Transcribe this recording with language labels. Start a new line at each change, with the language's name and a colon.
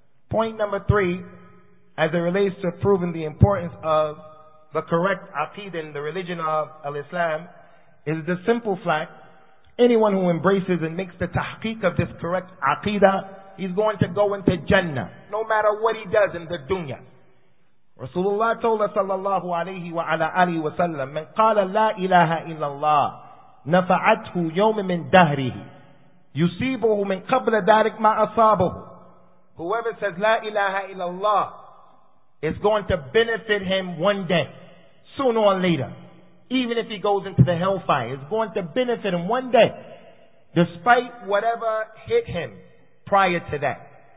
English: Point number three, as it relates to proving the importance of the correct aqidah in the religion of Al-Islam, is the simple fact, anyone who embraces and makes the tahqeeq of this correct aqidah, he's going to go into Jannah, no matter what he does in the dunya. Rasulullah told us,
Arabic: sallallahu alayhi wa ala alihi wa sallam, من قال لا إله إلا الله نفعته يوم من دهره يصيبه من قبل ذلك ما أصابه.
English: Whoever says La ilaha illallah is going to benefit him one day, sooner or later. Even if he goes into the hellfire, it's going to benefit him one day, despite whatever hit him prior to that.